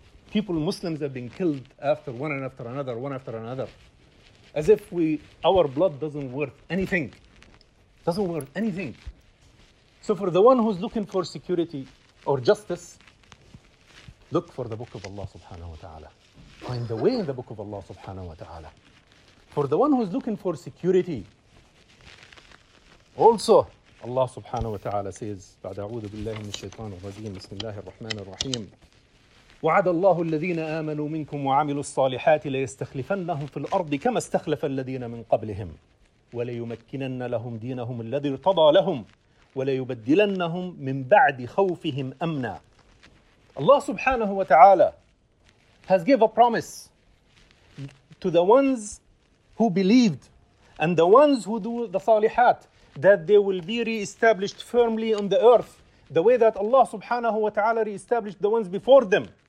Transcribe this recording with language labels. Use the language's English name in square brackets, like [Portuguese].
[English] People, Muslims, have been killed after one and after another, one after another. As if our blood doesn't worth anything. Doesn't worth anything. So for the one who's looking for security or justice, look for the book of Allah subhanahu wa ta'ala. Find the way in the book of Allah subhanahu wa ta'ala. For the one who's looking for security, also, Allah subhanahu wa ta'ala says, [Arabic] بعد أعوذ بالله من الشيطان الرجيم بسم الله الرحمن الرحيم وعد الله الذين آمنوا منكم وعملوا الصالحات ليستخلفنهم في الأرض كما استخلف الذين من قبلهم وليمكنن لهم دينهم الذي ارتضى لهم وليبدلنهم من بعد خوفهم أمنا. [English] Allah subhanahu wa ta'ala has given a promise to the ones who believed and the ones who do the salihat, that they will be re-established firmly on the earth, the way that Allah subhanahu wa ta'ala re-established the ones before them.